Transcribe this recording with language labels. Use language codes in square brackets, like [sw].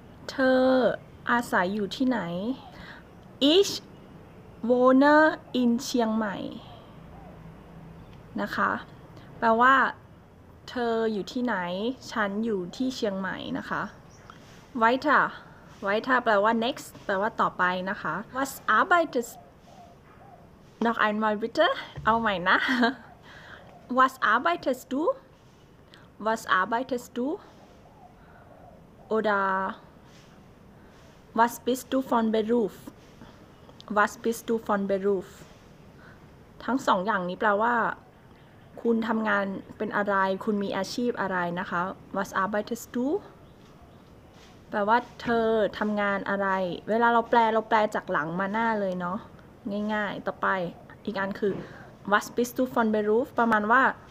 [th] เธออาศัยอยู่ที่ไหน [de] Ich wohne in [th] เชียงใหม่นะคะแปลว่าเธออยู่ที่ไหนฉันอยู่ที่เชียงใหม่นะคะ Weiter แปลว่า next แปลว่าต่อไปนะคะ [de] Was arbeitestNoch einmal bitte. [th] เอาใหม่นะ [de] Was arbeitest du? Was arbeitest du? Oder Was bist du von Beruf? Was bist du von Beruf? [th] ทั้งสองอย่างนี้แปลว่าคุณทำงานเป็นอะไรคุณมีอาชีพอะไรนะคะ [de] Was arbeitest du? [th] แปลว่าเธอทำงานอะไรเวลาเราแปลจากหลังมาหน้าเลยเนาะง่ายๆต่อไปอีกอันคือ [de] Was bist du von Beruf [th] ประมาณว่า